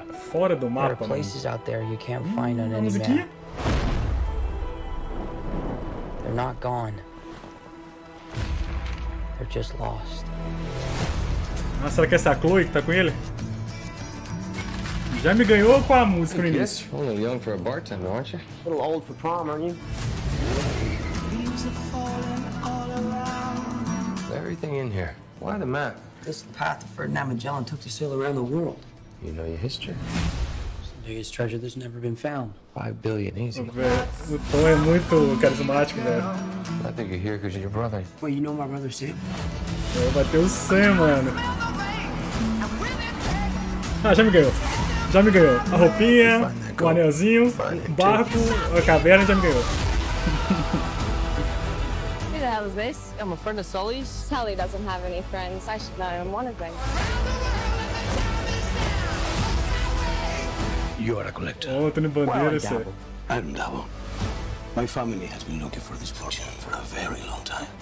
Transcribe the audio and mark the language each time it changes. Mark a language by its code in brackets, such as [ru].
[pt] Fora do mapa. [en] Há lugares out there you can't find on any map. They're not gone. They're just lost. [pt] Ah, será que essa Chloe que tá com ele? Já me ganhou com a música no início. [en] You're a little young for a bartender, aren't you? A little old for prom, aren't you? Leaves are falling all around. Everything in here. Why the map? This is the path that Ferdinand Magellan took to sail around the world. You know your history. Biggest treasure that's never been found. 5 billion, easy. [pt] O Tom é muito carismático, velho. [en] I think you're here because of your brother. Well, you know my brother, Sam. [pt] Vai bater o Sam, mano. Ah, já me ganhou. A roupinha, o anelzinho, o barco, a caverna, já me ganhou. [en] Who the hell is this? I'm a friend of Sully's. Sully doesn't have any friends. I should know I'm one of them. You are a collector. Oh, tenho bandeira, sir. I'm Davo. My family has been looking for this fortune for a very long time.